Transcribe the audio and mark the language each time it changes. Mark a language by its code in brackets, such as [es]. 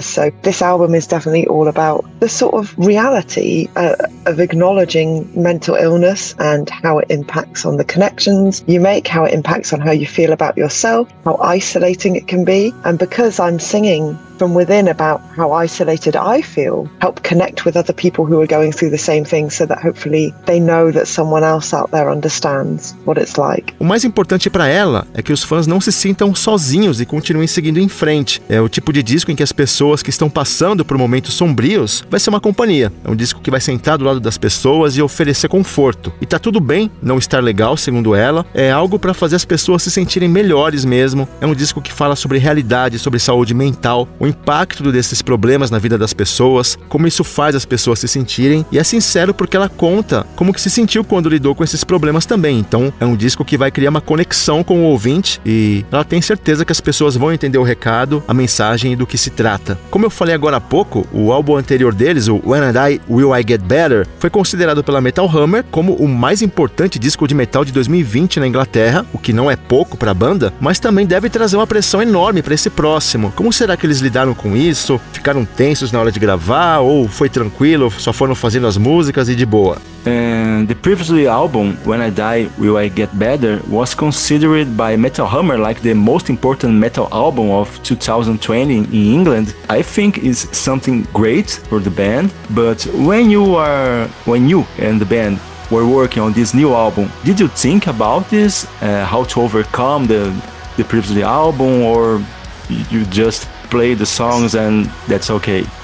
[en] So this album is definitely all about the sort of reality of acknowledging mental illness and how it impacts on the connections you make, how it impacts on how you feel about yourself, how isolating it can be. And because I'm singing from within about how isolated I feel, help connect with other people who are going through the same thing so that hopefully they know that someone else out there understands what it's like. [pt] O mais importante para ela é que os fãs não se sintam sozinhos e continuem seguindo em frente. É o tipo de disco em que as pessoas que estão passando por momentos sombrios vai ser uma companhia. É um disco que vai sentar do lado das pessoas e oferecer conforto. E tá tudo bem não estar legal, segundo ela. É algo para fazer as pessoas se sentirem melhores mesmo. É um disco que fala sobre realidade, sobre saúde mental, o impacto desses problemas na vida das pessoas, como isso faz as pessoas se sentirem, e é sincero porque ela conta como que se sentiu quando lidou com esses problemas também. Então, é um disco que vai criar uma conexão com o ouvinte e ela tem certeza que as pessoas vão entender o recado, a mensagem e do que se trata. Como eu falei agora há pouco, o álbum anterior deles, o When I Die, Will I Get Better, foi considerado pela Metal Hammer como o mais importante disco de metal de 2020 na Inglaterra, o que não é pouco para a banda, mas também deve trazer uma pressão enorme para esse próximo. Como será que eles lidaram com isso? Ficaram tensos na hora de gravar? Ou foi tranquilo, só foram fazendo as músicas e de boa? [en] And the previous album, When I Die, Will I Get Better, was considered by Metal Hammer like the most important metal album of 2020 in England. I think it's something great for the band, but when you and the band were working on this new album, did you think about this, how to overcome the previous album, or you just play the songs and that's okay?